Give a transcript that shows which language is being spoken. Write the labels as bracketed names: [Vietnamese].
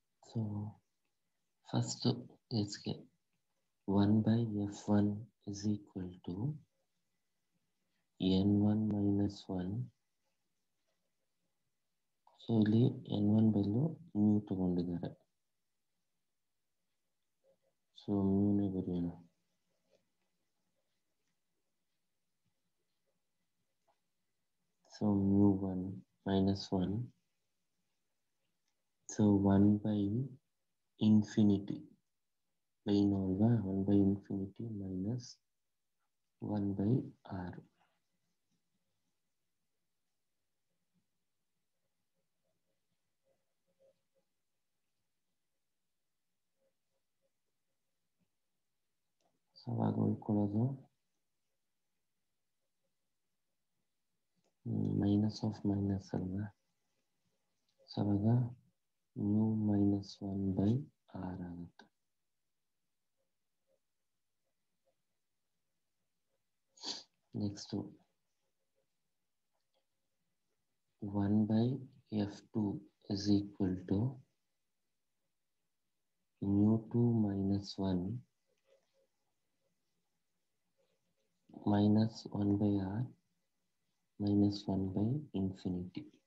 [English] So first, let's get 1 by F1 is equal to N1 minus 1. [Kannada] So ಇಲ್ಲಿ N one ಬದಲು mu ತಗೊಂಡಿದ್ದಾರೆ. So ಮ್ಯೂನೇ ಬರೆಯೋಣ. [English] So mu one minus one. So 1 by ∞ plane [Kannada] ಅಲ್ವಾ, [English] 1 by ∞ minus 1 by R. [Kannada] ಅವಾಗ ಉಳ್ಕೊಳ್ಳೋದು minus of minus ಅಲ್ವಾ. [English] so [Kannada] ಅವಾಗ [English] mu minus 1 by R [Kannada] ಆಗುತ್ತೆ. [English] Next 1 by F2 is equal to mu 2 minus 1 minus 1 by R minus 1 by infinity.